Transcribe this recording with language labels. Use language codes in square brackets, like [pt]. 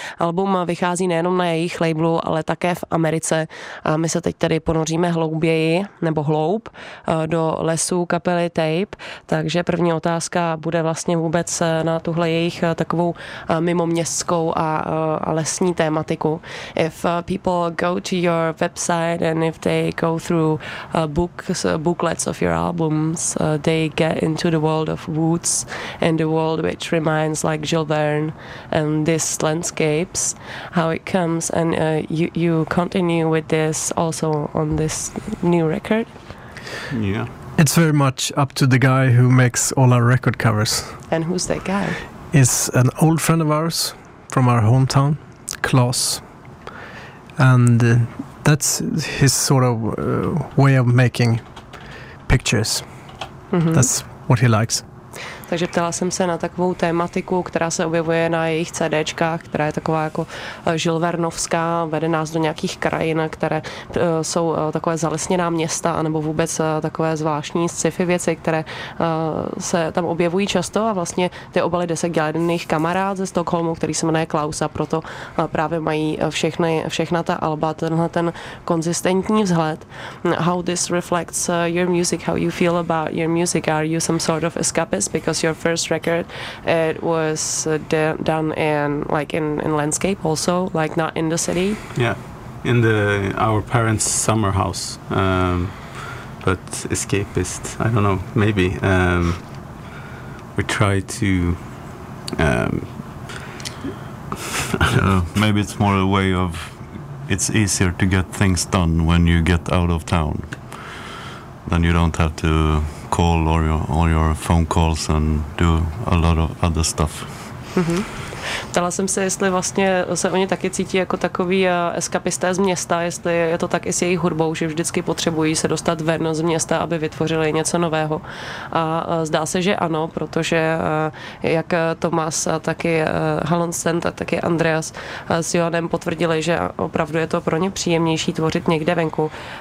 [cs] Album vychází nejenom na jejich labelu, ale také v Americe. A my se teď tady ponoříme hlouběji, nebo hloub, do lesů kapely Tape. Takže první otázka bude vlastně vůbec na tuhle jejich takovou mimoměstskou a lesní tématiku. [en] If people go to your website and if they go through books, booklets of your albums, they get into the world of woods and the world which reminds like Jules Verne and this landscapes, how it comes and you continue with this also on this new record? Yeah. It's very much up to the guy who makes all our record covers. And who's that guy? It's an old friend of ours from our hometown, Klaus. And that's his sort of way of making pictures. Mm-hmm. That's what he likes. [cs] Takže ptala jsem se na takovou tématiku, která se objevuje na jejich CDčkách, která je taková jako Jules Vernovská, vede nás do nějakých krajin, které jsou takové zalesněná města, anebo vůbec takové zvláštní sci-fi věci, které se tam objevují často, a vlastně ty obaly desek dělá jeden jejich kamarád ze Stockholmu, který se jmenuje Klaus, a proto právě mají všechna ta alba tenhle ten konzistentní vzhled. [en] How this reflects your music, how you feel about your music, are you some sort of escapist, because your first record, it was done in like in landscape also, like not in the city. Yeah, in the our parents' summer house, but escapist, I don't know, maybe we try to maybe it's more a way of, it's easier to get things done when you get out of town, then you don't have to call or your phone calls and do a lot of other stuff. [cs] Ptala jsem se, jestli vlastně se oni taky cítí jako takový eskapisté z města, jestli je to tak i s jejich hudbou, že vždycky potřebují se dostat ven z města, aby vytvořili něco nového. A zdá se, že ano, protože jak Tomas, taky Halonsen, taky Andreas s Johanem potvrdili, že opravdu je to pro ně příjemnější tvořit někde venku.